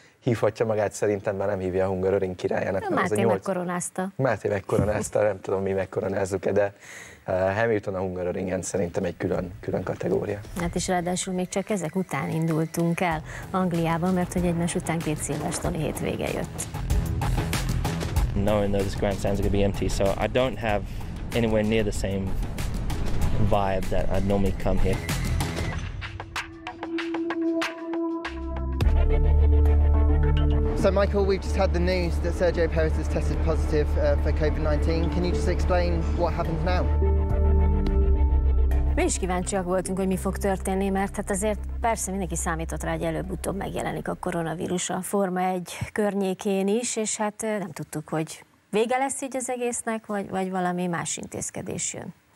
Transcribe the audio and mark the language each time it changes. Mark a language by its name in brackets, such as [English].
[Hungarian] hívhatja magát, szerintem már nem hívja a Hungaroring királyának. Máté az a megkoronázta. Máté megkoronázta, nem tudom, mi megkoronázzuk-e, de Hamilton a Hungaroringen szerintem egy külön kategória. Hát is ráadásul még csak ezek után indultunk el Angliában, mert hogy egymás után két szilvestoni hétvége jött. [English] Knowing that this grandstand's going to be empty, so I don't have anywhere near the same vibe that I'd normally come here. So Michael, we've just had the news that Sergio Perez has tested positive for COVID-19. Can you just explain what happens now? [Hungarian] Mi is kíváncsiak voltunk, hogy mi fog történni, mert hát azért persze mindenki számított rá, hogy előbb-utóbb megjelenik a koronavírus a Forma 1 környékén is, és hát nem tudtuk, hogy vége lesz így az egésznek, vagy valami más intézkedés jön.